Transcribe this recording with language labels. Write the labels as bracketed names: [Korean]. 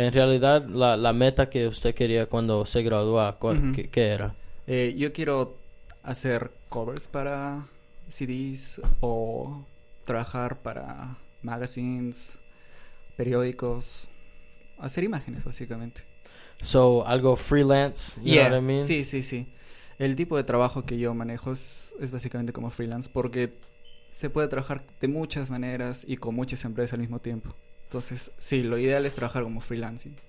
[Spanish] En realidad, la meta que usted quería cuando se graduó, ¿qué era? Yo quiero hacer covers para CDs o trabajar para magazines, periódicos, hacer imágenes, básicamente. [English] So, algo freelance, you know what I mean? [Spanish] Sí. El tipo de trabajo que yo manejo es básicamente como freelance porque se puede trabajar de muchas maneras y con muchas empresas al mismo tiempo. Entonces, sí, lo ideal es trabajar como freelancing.